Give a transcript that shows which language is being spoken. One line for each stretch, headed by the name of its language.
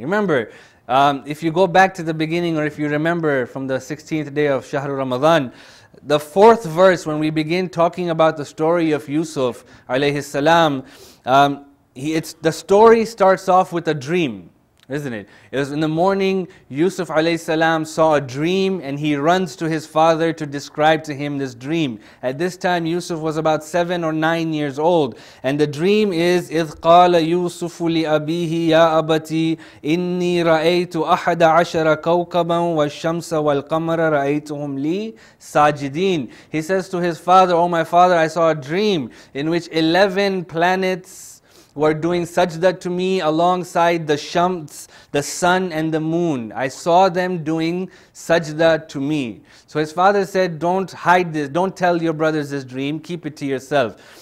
English: Remember, if you go back to the beginning, or if you remember from the 16th day of Shahr Ramadan, the fourth verse when we begin talking about the story of Yusuf alayhi salam, the story starts off with a dream, isn't it? It was in the morning, Yusuf alayhi salam saw a dream and he runs to his father to describe to him this dream. At this time, Yusuf was about 7 or 9 years old. And the dream is,
Arabic: إِذْ قَالَ يُوسُفُ لِأَبِيهِ يَا أَبَتِي إِنِّي رَأَيْتُ أَحَدَ عَشَرَ كَوْكَبًا وَالشَّمْسَ وَالْقَمَرَ رَأَيْتُهُمْ لِي سَاجِدِينَ.
English: He says to his father, oh my father, I saw a dream in which 11 planets were doing sajda to me alongside the shams, the sun and the moon. I saw them doing sajda to me. So his father said, don't hide this, don't tell your brothers this dream, keep it to yourself.